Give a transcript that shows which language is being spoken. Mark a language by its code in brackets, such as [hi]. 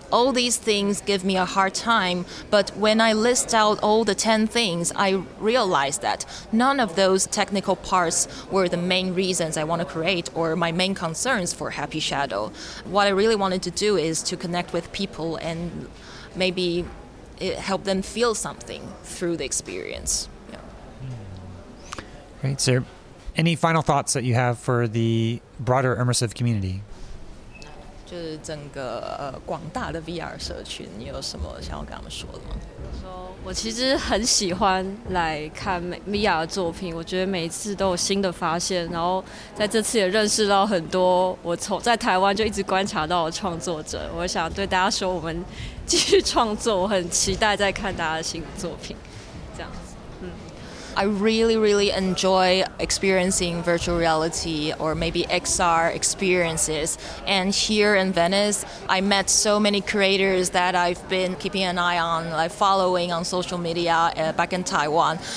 [en] All these things give me a hard time, but when I list out all the 10 things, I realized that none of those technical parts were the main reasons I want to create or my main concerns for Happy Shadow. What I really wanted to do is to connect with people and maybe help them feel something through the experience. Yeah. Great, sir. Any final thoughts that you have for the broader immersive community? [zh] 就是整个广大的 VR 社群，你有什么想要跟他们说的吗？我其实很喜欢来看 VR 的作品，我觉得每一次都有新的发现，然后在这次也认识到很多我从在台湾就一直观察到的创作者。我想对大家说，我们继续创作，我很期待再看大家的新作品，这样。 [en] I really, really enjoy experiencing virtual reality or maybe XR experiences. And here in Venice, I met so many creators that I've been keeping an eye on, like following on social media back in Taiwan.